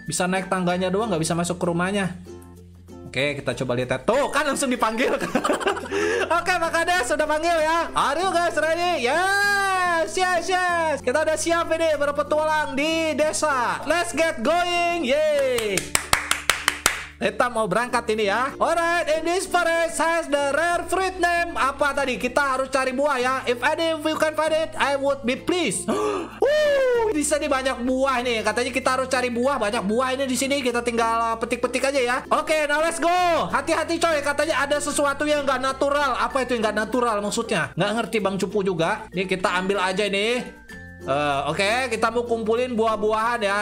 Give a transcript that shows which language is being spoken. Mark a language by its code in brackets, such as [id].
[id] Bisa naik tangganya doang, nggak bisa masuk ke rumahnya. Oke, kita coba lihat ya. Tuh, kan langsung dipanggil. Oke, makadah sudah panggil ya. [en] Are you guys ready? Yes. [id] Kita udah siap ini, berpetualang di desa. [en] Let's get going. [id] Yeay. Kita mau berangkat ini ya. [en] Alright, in this forest has the rare fruit name. [id] Apa tadi? Kita harus cari buah ya. [en] If you can find it, I would be pleased. [id] Di sini banyak buah nih. Katanya kita harus cari buah. Banyak buah ini di sini. Kita tinggal petik-petik aja ya. [en] Okay, now let's go. [id] Hati-hati coy. Katanya ada sesuatu yang gak natural. Apa itu yang gak natural maksudnya? Gak ngerti Bang Cupu juga. Ini kita ambil aja ini. Okay, kita mau kumpulin buah-buahan ya.